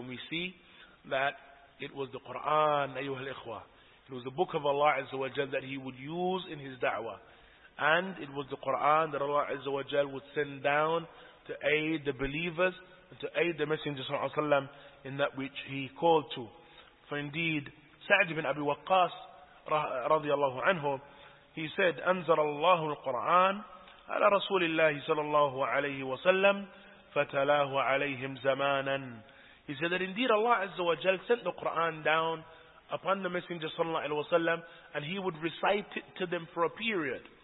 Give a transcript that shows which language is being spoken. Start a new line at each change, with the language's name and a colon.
English: And we see that it was the Quran,
Arabic: ayyuhal ikhwa.
English: It was the book of Allah Azza wa Jal that he would use in his da'wah. And it was the Quran that Allah Azza wa Jal would send down to aid the believers, to aid the Messenger sallallahu alayhi wa sallam in that which he called to. For indeed, Sa'd ibn Abi Waqqas radiyallahu anhu, he said,
Arabic: أنزل الله القرآن على رسول الله صلى الله عليه وسلم فتلاه عليهم زمانا.
English: He said that indeed Allah Azza wa Jal sent the Quran down upon the Messenger sallallahu alayhi wa sallam, and he would recite it to them for a period.